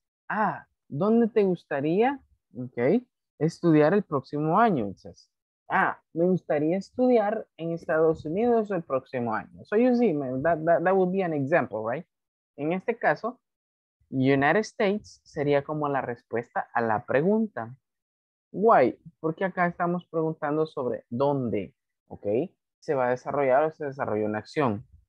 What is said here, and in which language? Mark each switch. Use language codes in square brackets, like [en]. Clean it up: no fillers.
[es] Ah, ¿dónde te gustaría, okay, estudiar el próximo año? [en] It says, [es] ah, me gustaría estudiar en Estados Unidos el próximo año. [en] So you see, that would be an example, right? [es] En este caso, [en] United States [es] sería como la respuesta a la pregunta. [en] Why? [es] Porque acá estamos preguntando sobre dónde, ¿ok? Se va a desarrollar o se desarrolla una acción.